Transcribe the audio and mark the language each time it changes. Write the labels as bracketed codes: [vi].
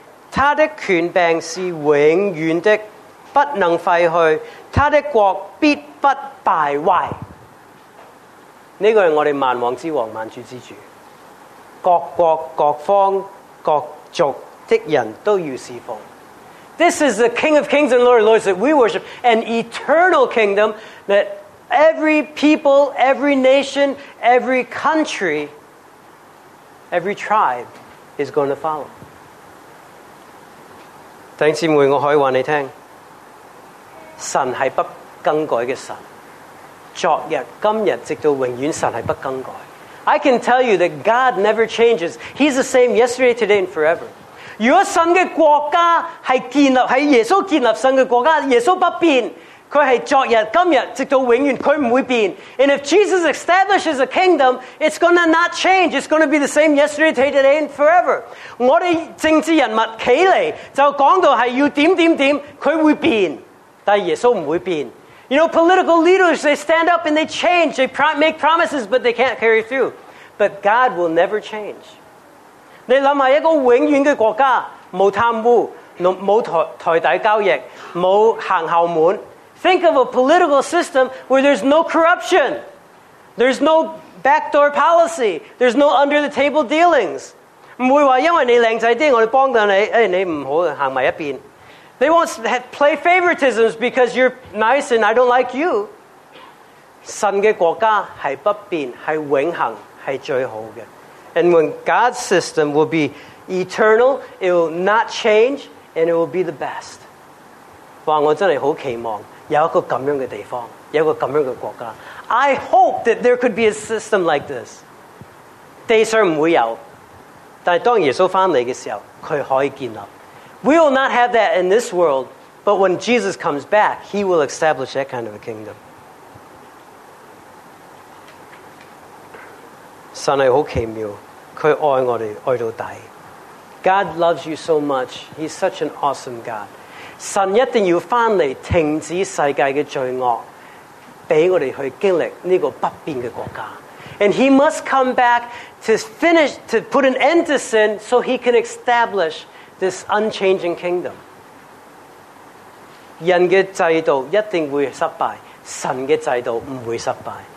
[zh] 他的权柄是永远的，不能废去，他的国必不败坏。这个是我们万王之王，万主之主。各国各方各族的人都要侍奉。 [en] This is the King of Kings and Lord of Lords that we worship, an eternal kingdom that every people, every nation, every country, every tribe is going to follow. [zh] 弟兄姊妹，我可以告诉你，神是不更改的神，昨日今日直到永远，神是不更改。 [en] I can tell you that God never changes. He's the same yesterday, today and forever. [zh] 如果神的国家是建立，是耶稣建立神的国家，耶稣不变，他是昨日今日直到永远，他不会变。 [en] And if Jesus establishes a kingdom, it's going to not change. It's going to be the same yesterday, today, and forever. [zh] 我们政治人物起来就讲到是要点点点，他会变，但耶稣不会变。 [en] You know, political leaders, they stand up and they change. They make promises, but they can't carry through. But God will never change. [zh] 你想想一个永远的国家，没贪污，没台底交易，没行后门， [en] Think of a political system where there's no corruption. There's no backdoor policy. There's no under-the-table dealings. [zh] 不会说因为你英俊一点, [en] they won't play favoritisms because you're nice and I don't like you. [zh] 神的国家是不变,是永恒,是最好的。 [en] And when God's system will be eternal, it will not change, and it will be the best. [zh] 哇,我真的很期望有一个这样的地方,有一个这样的国家。 [en] I hope that there could be a system like this. [zh] 地上不会有,但当耶稣回来的时候,他可以建立。 [en] We will not have that in this world, but when Jesus comes back, he will establish that kind of a kingdom. [zh] 神是很奇妙,祂爱我们爱到底。 [en] God loves you so much. He's such an awesome God. [zh] 神一定要回来停止世界的罪恶,给我们去经历这个不变的国家。 [en] And he must come back to finish, to put an end to sin so he can establish this unchanging kingdom. [zh] 人的制度一定会失败,神的制度不会失败。